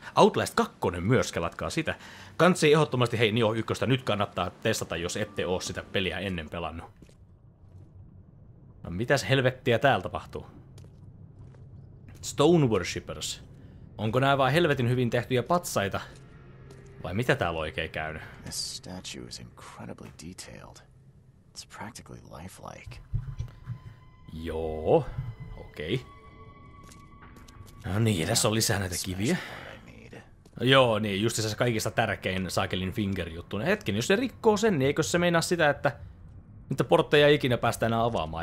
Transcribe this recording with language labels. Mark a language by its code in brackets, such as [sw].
[fi] Outlast 2 myös, kelatkaa sitä. Kansi ehdottomasti, hei, Nioh 1 nyt kannattaa testata, jos ette oo sitä peliä ennen pelannut. No mitäs helvettiä täällä tapahtuu? Stone Worshippers. Onko nää vaan helvetin hyvin tehtyjä patsaita? Vai mitä täällä oikein käynyt? [en] This statue is incredibly detailed. It's practically lifelike. [fi] Joo, okei. Okay. No niin, tässä on lisää näitä kiviä. Joo, niin, just se kaikista tärkein Saakelin finger-juttu. Hetken, jos se rikkoo sen, niin eikö se meinaa sitä, että portteja ei ikinä päästä enää avaamaan?